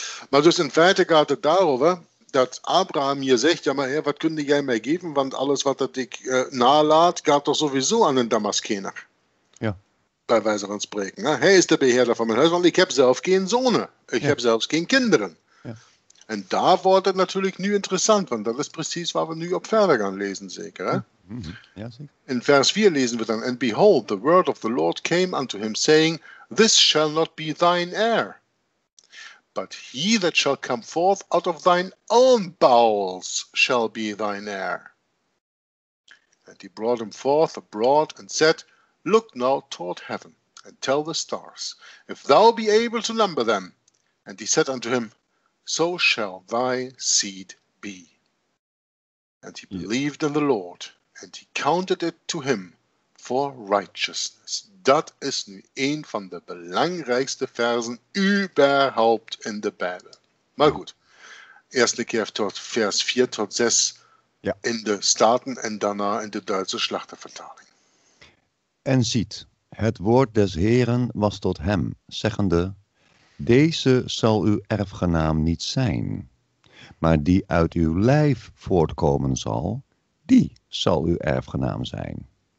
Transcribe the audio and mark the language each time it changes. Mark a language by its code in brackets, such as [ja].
[nl] Maar dus in feite gaat het daarover, dat Abraham hier zegt, ja maar heer, wat kunde jij mij geven, want alles wat dat ik nalaat, gaat toch sowieso aan een Damaskener. Ja. Bij wijze van spreken. Ja? Hij is de beheerder van mijn huis, want ik heb zelf geen zonen. Ik heb zelfs geen kinderen. En daar wordt het natuurlijk nu interessant, want dat is precies waar we nu op verder gaan lezen, zeker. Hè? Ja, zeker. [en] In vers 4 lezen we dan, and behold, the word of the Lord came unto him, saying, this shall not be thine heir, but he that shall come forth out of thine own bowels shall be thine heir. And he brought him forth abroad and said, look now toward heaven, and tell the stars, if thou be able to number them. And he said unto him, so shall thy seed be. And he believed in the Lord, and he counted it to him for righteousness. [nl] Dat is nu een van de belangrijkste versen überhaupt in de Bijbel. Maar goed, eerst een keer tot vers 4 tot 6 in de Staten en daarna in de Duitse Schlachtervertaling. En ziet, het woord des Heren was tot hem, zeggende, deze zal uw erfgenaam niet zijn, maar die uit uw lijf voortkomen zal, die zal uw erfgenaam zijn.